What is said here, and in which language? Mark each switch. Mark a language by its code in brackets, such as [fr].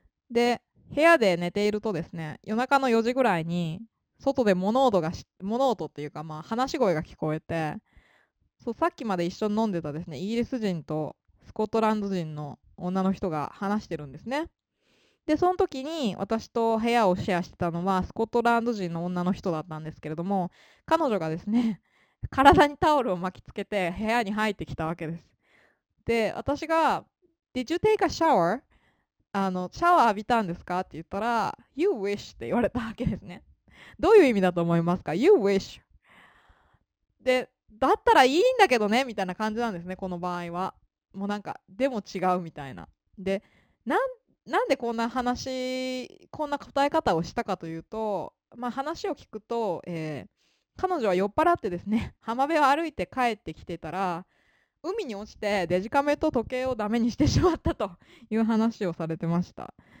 [ja] で、部屋で寝ているとですね、夜中の4時ぐらいに、外で物音っていうか、まあ、話し声が聞こえて、そう、さっきまで一緒に飲んでたですね、イギリス人とスコットランド人の女の人が話してるんですね。で、その時に私と部屋をシェアしてたのは、スコットランド人の女の人だったんですけれども、彼女がですね、体にタオルを巻きつけて部屋に入ってきたわけです。で、私が、 [en] Did you take a shower? [ja] シャワー浴びたんですかって言ったら、 [en] You wish [ja] って言われたわけですね。どういう意味だと思いますか ? [en] You wish。 [ja] で、だったらいいんだけどねみたいな感じなんですね、この場合は。もうなんか、でも違うみたいな。で、なんでこんな答え方をしたかというと、まあ、話を聞くと、彼女は酔っ払ってですね、浜辺を歩いて帰ってきてたら、海に落ちてデジカメと時計をダメにしてしまったという話をされてました。